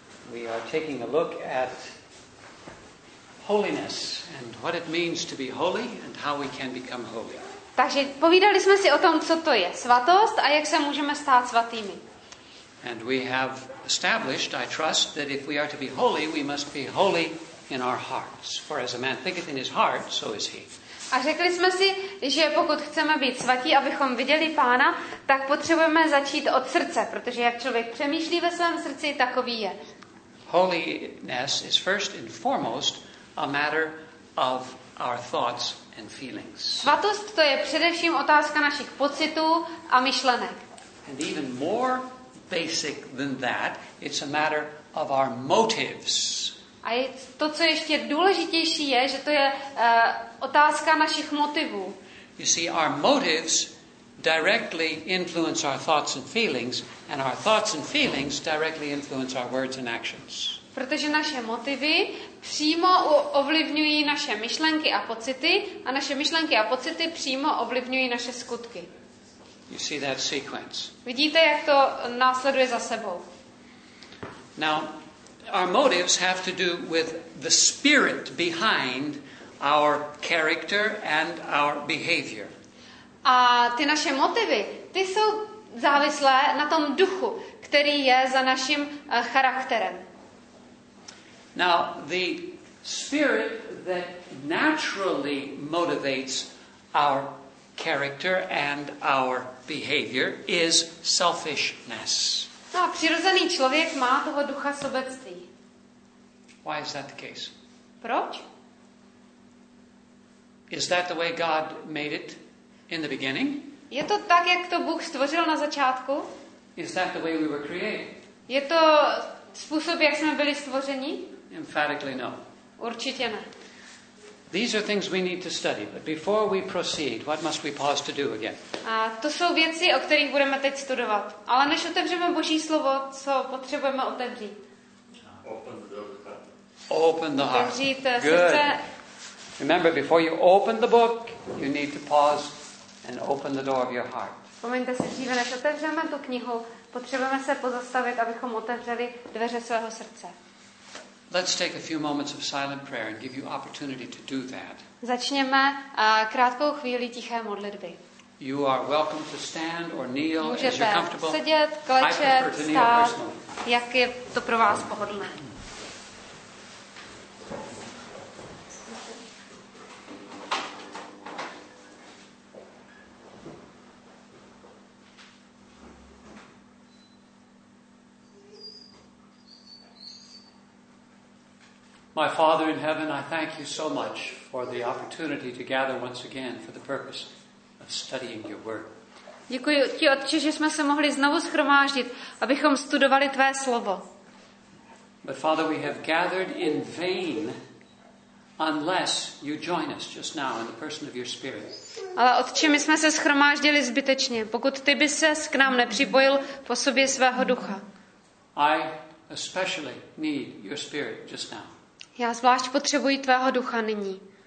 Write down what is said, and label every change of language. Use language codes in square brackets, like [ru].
[en] We are taking a look at holiness and what it means to be holy and how we can become holy. [cs] Takže povídali jsme si o tom, co to je svatost a jak se můžeme stát svatými. [en] And we have established, I trust, that if we are to be holy, we must be holy in our hearts. For as a man thinketh in his heart, so is he. [cs] A řekli jsme si, že pokud chceme být svatí, abychom viděli Pána, tak potřebujeme začít od srdce, protože jak člověk přemýšlí ve svém srdci, takový je. [en] Holiness is first and foremost a matter of our thoughts and feelings. [cs] Svatost to je především otázka našich pocitů a myšlenek. [en] And even more basic than that, it's a matter of our motives. [cs] A to, co ještě důležitější je, že to je otázka našich motivů. [en] You see, our motives directly influence our thoughts and feelings, and our thoughts and feelings directly influence our words and actions. [cs] Protože naše motivy přímo ovlivňují naše myšlenky a pocity, a naše myšlenky a pocity přímo ovlivňují naše skutky. [en] You see that sequence. [cs] Vidíte, jak to následuje za sebou. [en] Now, our motives have to do with the spirit behind our character and our behavior. [cs] A ty naše motivy, ty jsou závislé na tom duchu, který je za naším charakterem. [en] Now, the spirit that naturally motivates our character and our behavior is selfishness. [cs] No, přirozený člověk má toho ducha sobectví. [en] Why is that the case? [cs] Proč? [en] Is that the way God made it in the beginning? [cs] Je to tak, jak to Bůh stvořil na začátku? [en] Is that the way we were created? [cs] Je to způsob, jak jsme byli stvořeni? [en] Emphatically no. [cs] Určitě ne. [en] These are things we need to study, but before we proceed, what must we pause to do again? [cs] A to jsou věci, o kterých budeme teď studovat. Ale než otevřeme Boží slovo, co potřebujeme otevřít? [en] Open the heart. [cs] Otevřít [en] Good. [cs] Srdce. [en] Remember, before you open the book, you need to pause and open the door of your heart. [cs] Vzpomeňte si, dříve než otevřeme tu knihu, potřebujeme se pozastavit, abychom otevřeli dveře svého srdce. [en] Let's take a few moments of silent prayer and give you opportunity to do that. [cs] Začněme krátkou chvíli tiché modlitby. [en] You are welcome to stand or kneel as you're comfortable. [cs] Můžete sedět, klečet, stát, jak je to pro vás pohodlné. [en] My Father in heaven, I thank you so much for the opportunity to gather once again for the purpose of studying your word. [cs] Děkuji ti, Otče, že jsme se mohli znovu shromáždit, abychom studovali tvé slovo. [en] But Father, we have gathered in vain unless you join us just now in the person of your spirit. [cs] Ale Otče, my jsme se shromáždili zbytečně, pokud ty by ses k nám nepřipojil po sobě svého ducha. [en] I especially need your spirit just now. [cs] Já zvlášť potřebuji tvého ducha nyní.